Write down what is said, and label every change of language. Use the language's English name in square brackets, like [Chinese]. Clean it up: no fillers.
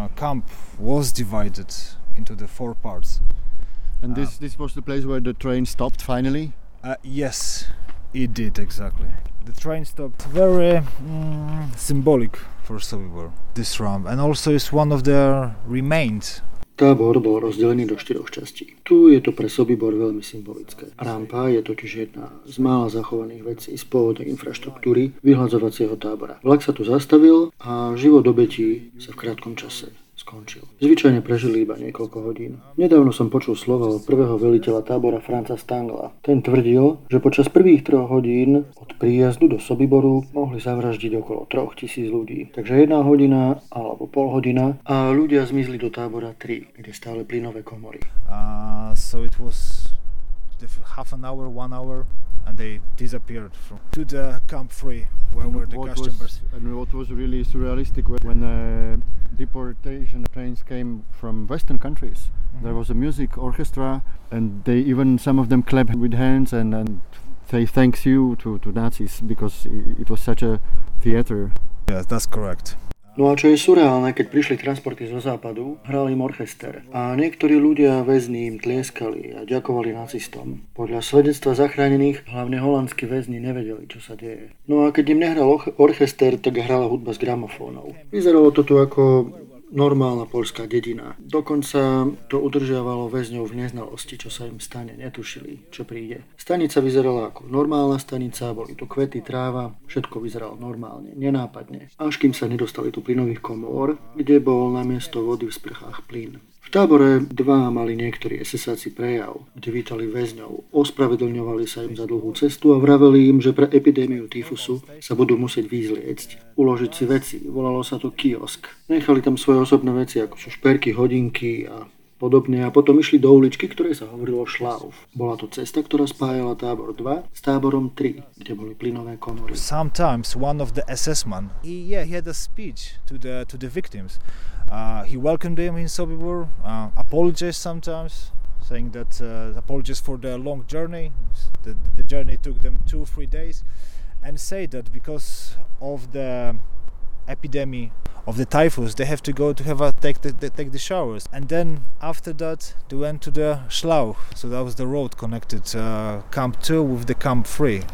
[English] Camp was divided into the four parts. And this was the place where the train stopped finally? Yes, it did, exactly. The train stopped. Very symbolic for Sobibor, this ramp. And also it's one of their remains. [Slovak] Tábor bol rozdelený do 4 častí. Tu je to pre Sobibor veľmi symbolické. Rampa je totiž jedna z mála zachovaných vecí z pôvodnej infraštruktúry vyhladzovacieho tábora. Vlak sa tu zastavil a život obetí sa v krátkom čase skončil. Zvyčajne prežili iba niekoľko hodín. Nedávno som počul slova od prvého veliteľa tábora Franca Stangla. Ten tvrdil, že počas prvých 3 hodín od príjazdu do Sobiboru mohli zavraždiť okolo 3000 ľudí. Takže 1 hodina alebo pol hodina a ľudia zmizli do tábora 3, kde stále plynové komory. [English] So it was half an hour, one hour and they disappeared from to the camp 3 where were the customers. And what was really surrealistic when deportation trains came from Western countries. Mm-hmm. There was a music orchestra and they even some of them clapped with hands and say thanks you to Nazis because it was such a theater. Yes, that's correct. [Slovak] No a čo je surreálne, keď prišli transporty zo západu, hral im orchester. A niektorí ľudia väzni im tlieskali a ďakovali nacistom. Podľa svedectva zachránených, hlavne holandskí väzni nevedeli, čo sa deje. No a keď im nehral orchester, tak hrala hudba s gramofónov. Vyzeralo to tu ako normálna poľská dedina. Dokonca to udržiavalo väzňov v neznalosti, čo sa im stane. Netušili, čo príde. Stanica vyzerala ako normálna stanica, boli tu kvety, tráva, všetko vyzeralo normálne, nenápadne. Až kým sa nedostali tu plynových komôr, kde bol namiesto vody v sprchách plyn. V tábore 2 mali niektorí SS-áci prejav, kde vítali väzňov, ospravedlňovali sa im za dlhú cestu a vraveli im, že pre epidémiu tyfusu sa budú musieť vyzliecť, uložiť si veci, volalo sa to kiosk. Nechali tam svoje osobné veci, ako sú šperky, hodinky a podobne a potom išli do uličky, ktorej sa hovorilo Šlauf. Bola to cesta, ktorá spájala tábor 2 s táborom 3, kde boli plynové komory. [English] Sometimes one of the SS man, he had a speech to the victims. He welcomed them in Sobibor, apologized sometimes, saying that apologies for the long journey. The journey took them 2-3 days and say that because of the epidemic of the typhus they have to go to have a take the showers and then after that they went to the Schlauch, so that was the road connected camp 2 with the camp 3.